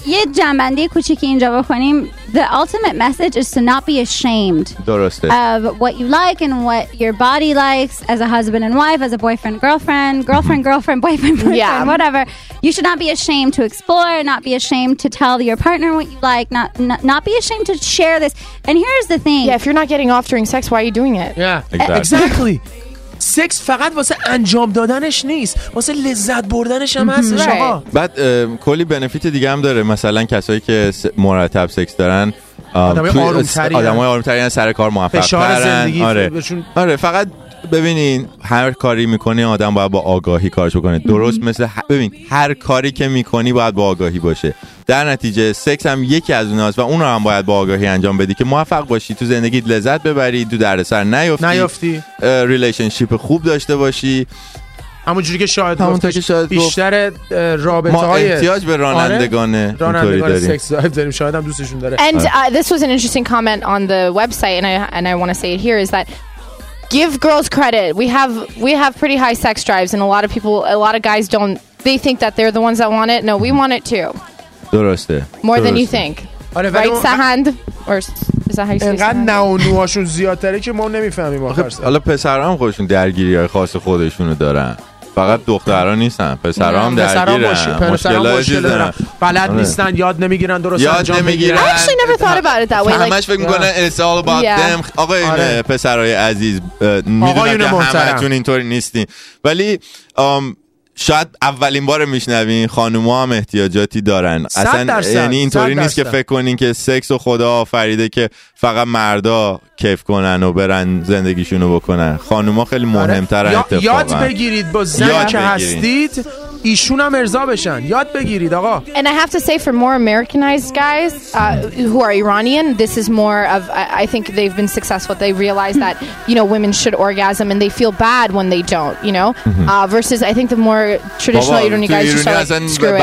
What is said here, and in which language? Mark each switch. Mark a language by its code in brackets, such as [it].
[fa] یه جنبندی کوچیکی اینجا بکنیم. [en] The ultimate message is to not be ashamed. [fa] درسته. [en] Of what you like and what your body likes as a husband and wife, as a boyfriend, girlfriend, girlfriend, girlfriend, boyfriend, boyfriend, yeah. whatever. You should not be ashamed to explore, not be ashamed to tell your partner what you like, not be ashamed to share this. And here's the thing. Yeah, if you're not getting off during sex, why are you doing it? Yeah, exactly. [fa] سکس فقط واسه انجام دادنش نیست، واسه لذت بردنش هم هست. شما بعد کلی بنفیت دیگه هم داره، مثلا کسایی که مرتب سکس دارن آدمای آرومتری هستن، سر کار موفق‌ترن. آره آره فقط ببینین هر کاری میکنی آدم باید با آگاهی کارش بکنه، درست مثل ببین هر کاری که میکنی باید با آگاهی باشه، در نتیجه سکس هم یکی از اوناست و اون رو هم باید با آگاهی انجام بدی که موفق باشی تو زندگیت، لذت ببری، تو دردسر نیفتی، ریلیشنشیپ خوب داشته باشی. همون جوری که شاید گفتش بیشتر رابطه ما احتیاج به رانندگانه داریم، شاید هم دوستشون داره. [en] And this was an interesting comment on the website, and I want to say it here, is that give girls credit. We have pretty high sex drives, and a lot of guys don't. They think that they're the ones that want it. No, we want it too. [fa] درسته. [en] More than you think. Right, Sahand? Or is that how you say it? [fa] انقدر نونواشون زیادتره که ما نمیفهمیم آخرش. حالا پسرام خودشون درگیری های خاص خودشونو دارن. فقط دخترها نیستن، پسرها هم درگیرن، مشکلات مشکل دارن، بلد نیستن، یاد نمیگیرن درست انجام نمیگیرن. [en] I actually never thought about it that way. [fa] همش فکر میکنن [en] it's all about them. [fa] آقا این پسرهای عزیز میدونم که همتون اینطوری نیستین، ولی شاید اولین بار میشنوین خانوما هم احتیاجاتی دارن. اصلا یعنی اینطوری نیست که فکر کنین که سکس و خدا آفریده که فقط مردا کیف کنن و برن زندگیشونو بکنن. خانوما خیلی مهمتر. آره. اتفاقا یاد بگیرید با زن که هستید ایشون هم ارضا بشن. یاد بگیرید آقا. [en] And I have to say for more Americanized guys who are Iranian, this is more of I think they've been successful. They realize that, you know, women should orgasm and they feel bad when they don't, you know. Versus I think the more traditional Iranian guys just like screw it.